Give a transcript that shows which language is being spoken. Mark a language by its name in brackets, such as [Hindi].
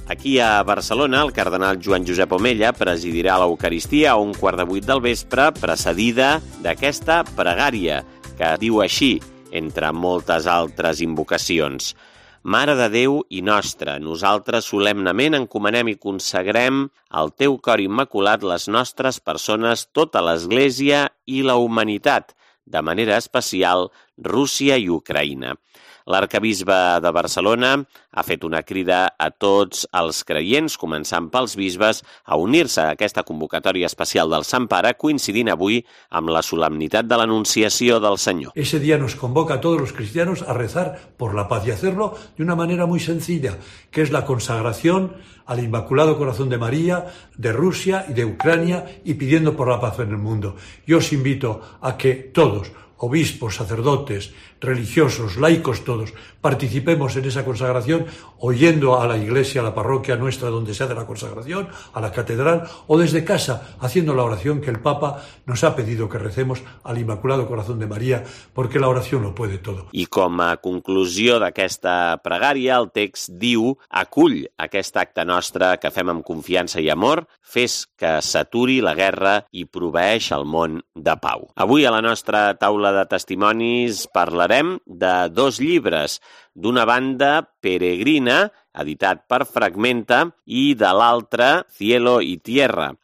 [Catalan] Aquí a Barcelona, el cardenal Joan Josep Omella presidirà l'Eucaristia a 7:15 del vespre, precedida d'aquesta pregària, que diu així, entre moltes altres invocacions: Mare de Déu i nostra, nosaltres solemnament encomanem i consagrem al teu cor immaculat les nostres persones, tota l'Església i la humanitat, de manera especial Rússia i Ucraïna. L'arcabisbe de Barcelona ha fet una crida a tots els creients, començant pels bisbes, a unir-se a aquesta convocatòria especial del Sant Pare, coincidint avui amb la solemnitat de l'Anunciació del Senyor. [Spanish] Ese día nos convoca a todos los cristianos a rezar por la paz y hacerlo de una manera muy sencilla, que es la consagración al Inmaculado Corazón de María, de Rusia y de Ucrania, y pidiendo por la paz en el mundo. Yo os invito a que todos, obispos, sacerdotes, religiosos, laicos todos, participemos en esa consagración oyendo a la iglesia, a la parroquia nuestra donde se hace la consagración, a la catedral, o desde casa haciendo la oración que el Papa nos ha pedido que recemos al Inmaculado Corazón de María, porque la oración lo puede todo. [Catalan] I com a conclusió d'aquesta pregària, el text diu: acull aquest acte nostre que fem amb confiança i amor, fes que s'aturi la guerra i proveeix el món de pau. Avui a la nostra taula de testimonis parlarem de dos llibres, d'una banda Peregrina, editat per Fragmenta, i de l'altra Cielo y Tierra.